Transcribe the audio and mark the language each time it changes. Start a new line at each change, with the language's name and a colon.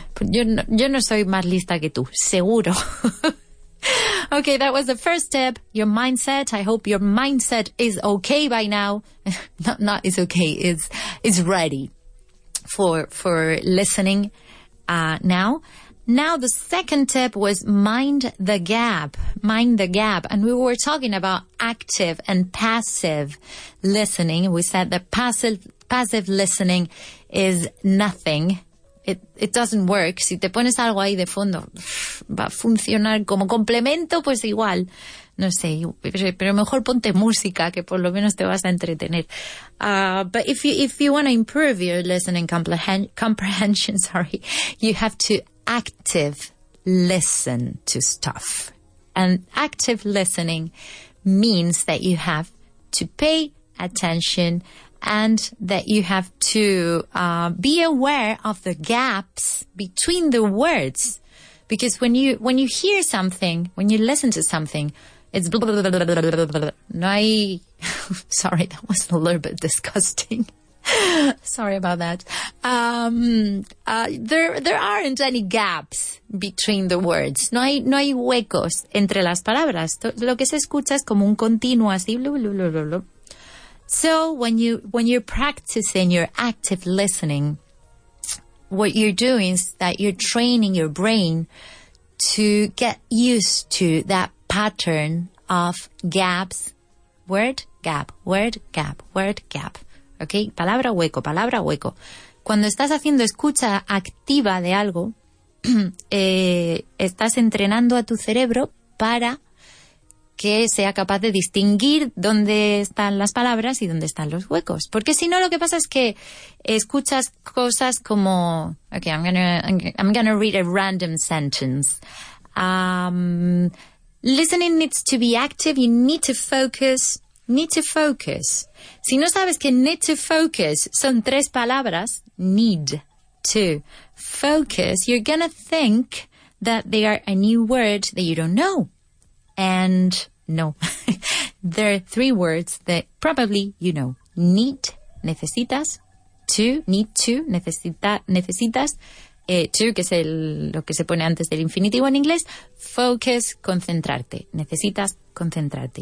Spanish: Yo no soy más lista que tú, seguro.
English: Okay, that was the first tip. Your mindset. I hope your mindset is okay by now. not is okay. Is ready for listening now. Now, the second tip was mind the gap. Mind the gap. And we were talking about active and passive listening. We said that passive listening is nothing. It doesn't work.
Spanish: Si te pones algo ahí de fondo, va a funcionar como complemento, pues igual. No sé, pero mejor ponte música, que por lo menos te vas a entretener.
English: But if you want to improve your listening comprehension, sorry, you have to active listen to stuff. And active listening means that you have to pay attention and that you have to be aware of the gaps between the words. Because when you hear something, when you listen to something, it's blah, blah, blah, blah, blah, blah, blah, blah.
Spanish: No hay...
English: Sorry, that was a little bit disgusting. Sorry about that. There aren't any gaps between the words.
Spanish: No hay huecos entre las palabras. Lo que se escucha es como un continuo así. Blu, blu, blu, blu, blu.
English: So when you're practicing your active listening, what you're doing is that you're training your brain to get used to that pattern of gaps. Word gap. Word gap. Word gap. Okay,
Spanish: palabra hueco, palabra hueco. Cuando estás haciendo escucha activa de algo, estás entrenando a tu cerebro para que sea capaz de distinguir dónde están las palabras y dónde están los huecos. Porque si no, lo que pasa es que escuchas cosas como...
English: Okay, I'm gonna read a random sentence. Listening needs to be active, you need to focus... Need to focus.
Spanish: Si no sabes que
English: need to focus
Spanish: son tres palabras,
English: need to focus, you're gonna think that they are a new word that you don't know. And no, there are three words that probably you know.
Spanish: Need, necesitas, to, need to, necesitas, to, que es lo que se pone antes del infinitivo en inglés, focus, concentrarte, necesitas concentrarte.